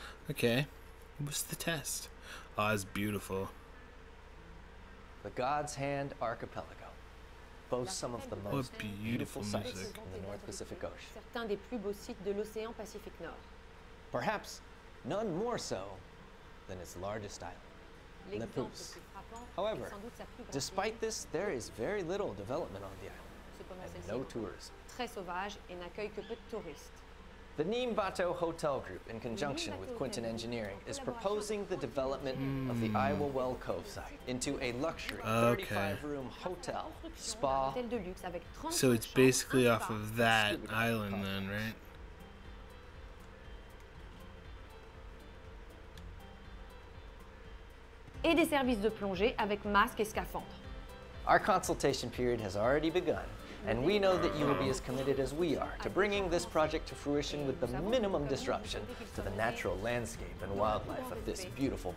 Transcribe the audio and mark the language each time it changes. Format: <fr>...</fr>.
<en>Okay. What's the test? Oh, it's beautiful. The God's Hand Archipelago boasts some of the most beautiful sites in the North Pacific Ocean.</en> <fr>Certains des plus beaux sites de l'océan Pacifique Nord.</fr> <en>Perhaps none more so than its largest island, Lipus. However, despite this, there is very little development on the island, and no tourism.</en> <fr>Très sauvage et n'accueille que peu de touristes.</fr> <en>The Neem Bateau Hotel Group, in conjunction with Quinton Engineering, is proposing the development of the Iowa Well Cove site into a luxury 35-room hotel, spa. So it's basically off of that island then, right?</en> <fr>Et des services de plongée avec masque et scaphandre.</fr> <en>Our consultation period has already begun, and we know that you will be as committed as we are to bringing this project to fruition with the minimum disruption to the natural landscape and wildlife of this beautiful</en>